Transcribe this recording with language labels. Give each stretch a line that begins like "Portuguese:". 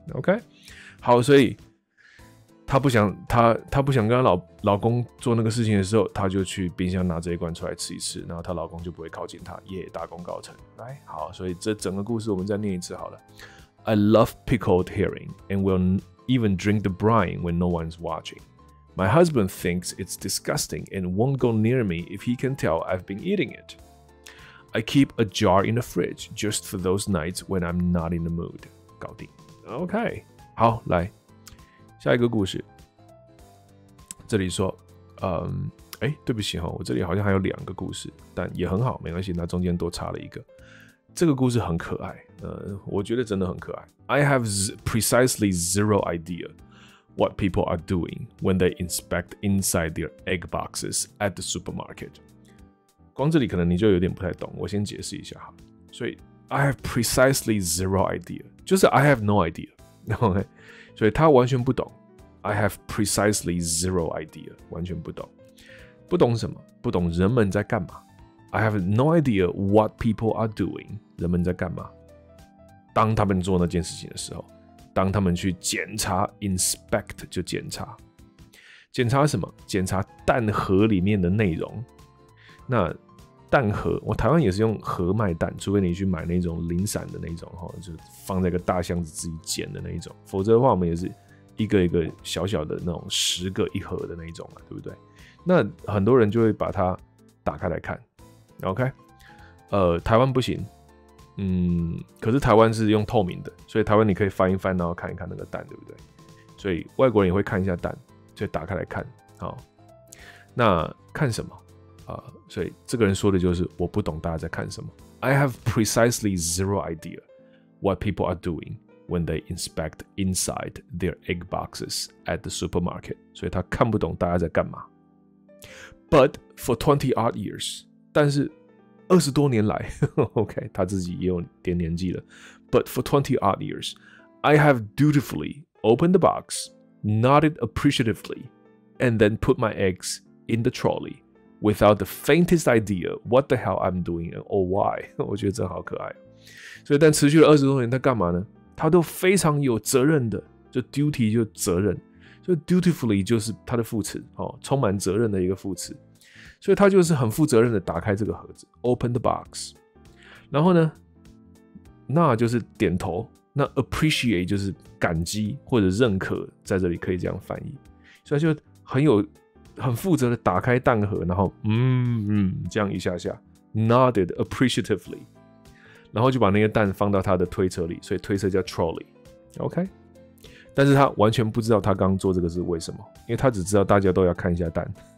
Chinese: Okay, 好，所以他不想跟老公做那个事情的时候，他就去冰箱拿这一罐出来吃一次，然后他老公就不会靠近他，耶，大功告成。来，好，所以这整个故事我们再念一次好了。
English: I love pickled herring and will even drink the brine when no one's watching. My husband thinks it's disgusting and won't go near me if he can tell I've been eating it. I keep a jar in the fridge just for those nights when I'm not in the mood.
Chinese: 搞定。OK， 好，来下一个故事。这里说，对不起哈，我这里好像还有两个故事，但也很好，没关系，那中间多插了一个。这个故事很可爱，我觉得真的很可爱。
English: I have precisely zero idea what people are doing when they inspect inside their egg boxes at the supermarket.
Chinese: 光这里可能你就有点不太懂，我先解释一下哈。所以
English: I have precisely zero idea，
Chinese: 就是
English: I have no idea， OK，
Chinese: 所以他完全不懂。
English: I have precisely zero idea，
Chinese: 完全不懂，不懂什么？不懂人们在干嘛？
English: I have no idea what people are doing.
Chinese: 人们在干嘛？当他们做那件事情的时候，当他们去检查 inspect 就检查，检查什么？检查蛋盒里面的内容。那蛋盒，我台湾也是用盒卖蛋，除非你去买那种零散的那种，就放在一个大箱子自己捡的那一种。否则的话，我们也是一个一个小小的那种十个一盒的那一种嘛，对不对？那很多人就会把它打开来看。OK， 台湾不行，可是台湾是用透明的，所以台湾你可以翻一翻，然后看一看那个蛋，对不对？所以外国人也会看一下蛋，所以打开来看，好，那看什么啊？所以这个人说的就是我不懂大家在看什么。
English: I have precisely zero idea what people are doing when they inspect inside their egg boxes at the supermarket。
Chinese: 所以他看不懂大家在干嘛。
English: But for 20 odd years。
Chinese: 但是二十多年来，OK， 他自己也有点年纪了。
English: But for 20 odd years, I have dutifully opened the box, nodded appreciatively, and then put my eggs in the trolley without the faintest idea what the hell I'm doing or why.
Chinese: 我觉得真好可爱。所以，但持续了二十多年，他干嘛呢？他都非常有责任的，就 duty 就责任，所以 dutifully 就是他的副词，哦，充满责任的一个副词。所以他就是很负责任的打开这个盒子 ，
English: open the box，
Chinese: 然后呢，那就是点头，那 appreciate 就是感激或者认可，在这里可以这样翻译，所以他就很负责的打开蛋盒，然后这样一下下
English: nodded appreciatively，
Chinese: 然后就把那个蛋放到他的推车里，所以推车叫 trolley，OK，但是他完全不知道他刚做这个是为什么，因为他只知道大家都要看一下蛋。